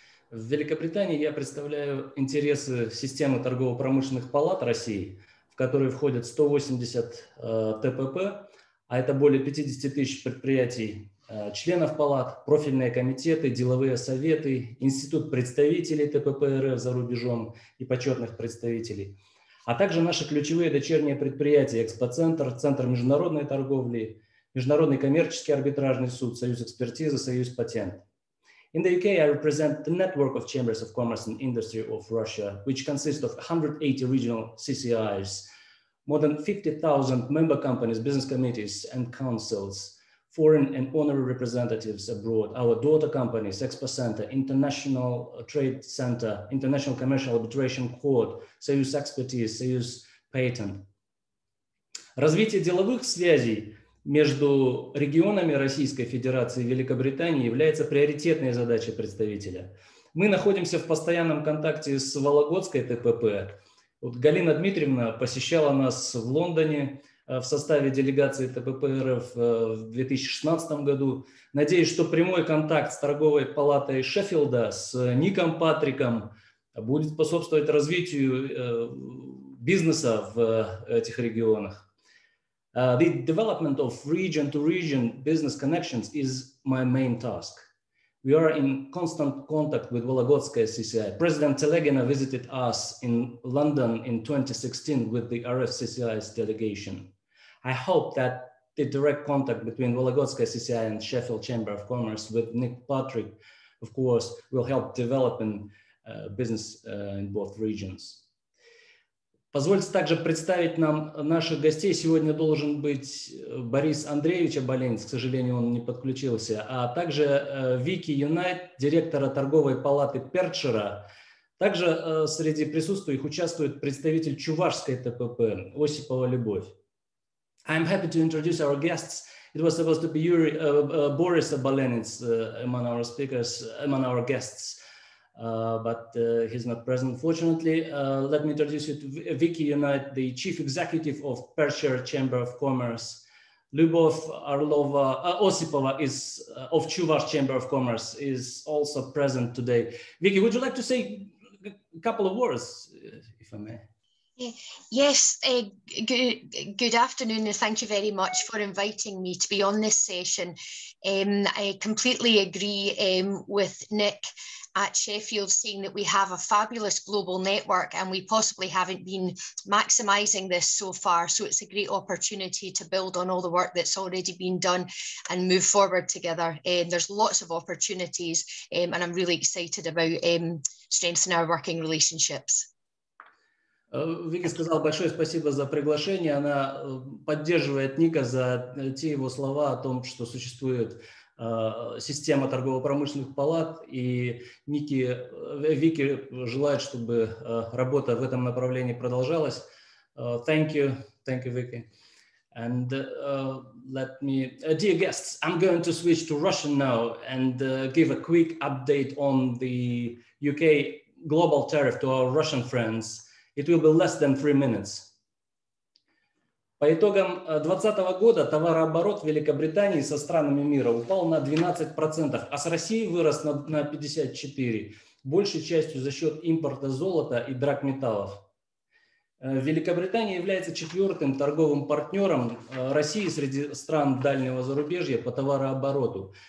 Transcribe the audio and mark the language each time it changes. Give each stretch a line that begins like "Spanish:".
Russian: В Великобритании я представляю интересы системы торгово-промышленных палат России, в которой входят 180 ТПП, а это более 50 тысяч предприятий, членов палат, профильные комитеты, деловые советы, институт представителей ТПП РФ за рубежом и почетных представителей, а также наши ключевые дочерние предприятия, экспоцентр, центр международной торговли, международный коммерческий арбитражный суд, союз экспертизы, союз патент.
English: In the UK, I represent the network of chambers of commerce and industry of Russia, which consists of 180 regional CCIs, more than 50,000 member companies, business committees and councils, foreign and honorary representatives abroad, our daughter companies, Expo Center, International Trade Center, International Commercial Arbitration Court, Союз Expertise, Союз Patent.
Russian: Развитие деловых связей между регионами Российской Федерации и Великобритании является приоритетной задачей представителя. Мы находимся в постоянном контакте с Вологодской ТПП. Вот Галина Дмитриевна посещала нас в Лондоне, в составе делегации ТПП РФ в 2016 году. Надеюсь, что прямой контакт с торговой палатой Шеффилда, с Ником Патриком, будет способствовать развитию бизнеса в этих регионах.
English: The development of region-to-region business connections is my main task. We are in constant contact with Vologodskaya CCI. President Telegina visited us in London in 2016 with the RF CCI's delegation. I hope that the direct contact between Vologodskaya CCI and Sheffield Chamber of Commerce with Nick Patrick, of course, will help develop
Russian: бизнес
English: in both regions.
Russian: Позвольте также представить нам наших гостей. Сегодня должен быть Борис Андреевич Оболенец, к сожалению, он не подключился, а также Вики Юнайт, директора торговой палаты Перчера. Также среди присутствующих участвует представитель Чувашской ТПП Осипова Любовь.
English: I'm happy to introduce our guests. It was supposed to be Boris Оболенец among our speakers, among our guests. But he's not present, fortunately. Let me introduce you to Vicky Unite, the Chief Executive of Perchere Chamber of Commerce. Lyubov Orlova, Osipova is of Chuvash Chamber of Commerce, is also present today. Vicky, would you like to say a couple of words, if I may? Yes, good afternoon, and thank you very much for inviting me to be on this session. I completely agree with Nick at Sheffield saying that we have a fabulous global network and we possibly haven't been maximising this so far. So it's a great opportunity to build on all the work that's already been done and move forward together. There's lots of opportunities and I'm really excited about strengthening our working relationships.
Russian: Вики сказал большое спасибо за приглашение. Она поддерживает Ника за те его слова о том, что существует система торгово-промышленных палат, и Ники, Вики желает, чтобы работа в этом направлении продолжалась.
English: Thank you, Вики. And let me, dear guests, I'm going to switch to Russian now and give a quick update on the UK global tariff to our Russian friends. It will be less than 3 minutes.
Russian: По итогам 2020 года товарооборот Великобритании со странами мира упал на 12%, а с Россией вырос на 54%, большей частью за счет импорта золота и драгметаллов. Великобритания является четвертым торговым партнером России среди стран дальнего зарубежья по товарообороту.